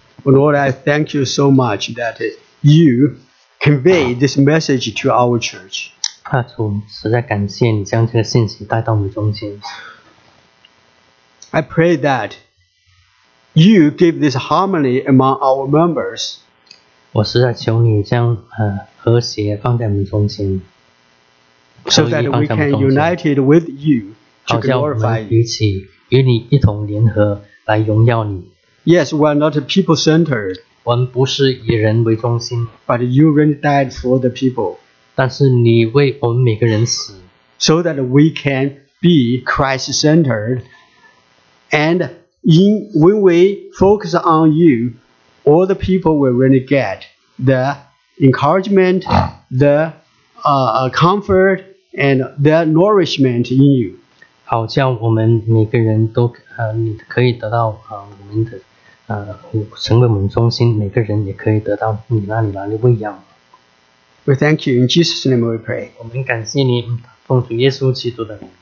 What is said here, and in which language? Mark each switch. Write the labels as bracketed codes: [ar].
[en] Lord, I thank you so much that you convey this message to our church. [zh] 主，实在感谢你将这个信息带到我们中间。 [en] I pray that you give this harmony among our members. [zh] 我实在求你将和谐放在我们中心。 [en] So that we can united with you to glorify you. [zh] 好像我们与你一同联合来荣耀你。 [en] Yes, we are not a people-centered. [zh] 我们不是以人为中心。 [en] But you really died for the people. [zh] 但是你为我们每个人死。 [en] So that we can be Christ-centered. And when we focus on you, all the people will really get the encouragement, the comfort, and the nourishment in you. [zh] 好像我们每个人都可以得到我们的成为我们中心，每个人也可以得到你那里来的喂养。 [en] We thank you in Jesus' name. We pray. [zh] 我们感谢你，奉主耶稣基督的名。